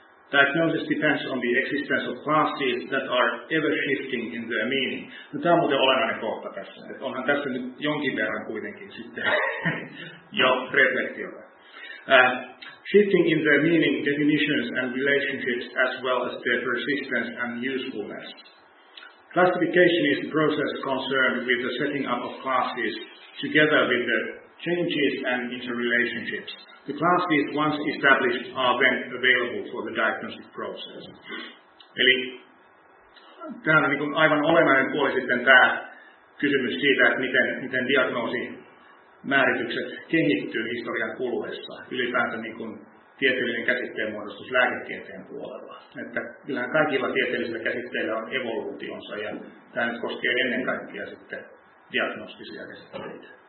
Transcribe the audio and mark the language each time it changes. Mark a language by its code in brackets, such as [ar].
[en] Diagnosis depends on the existence of classes that are ever shifting in their meaning. [fi] No, tämä on muuten olennainen kohta tässä. Et onhan tässä nyt jonkin verran kuitenkin sitten jo reflektiota. [en] Shifting in their meaning, definitions and relationships as well as their persistence and usefulness. Classification is the process concerned with the setting up of classes together with the changes and interrelationships. The classes once established are then available for the diagnostic process. [fi] Eli tämä on niin kuin aivan olennainen puoli sitten tämä kysymys siitä, että miten diagnoosimääritykset kehittyy historian kuluessa. Ylipäänsä niin kuin tieteellinen käsitteen muodostus lääketieteen puolella. Että kyllähän kaikilla tieteellisillä käsitteillä on evoluutionsa ja tämä nyt koskee ennen kaikkea sitten diagnostisia käsitteitä.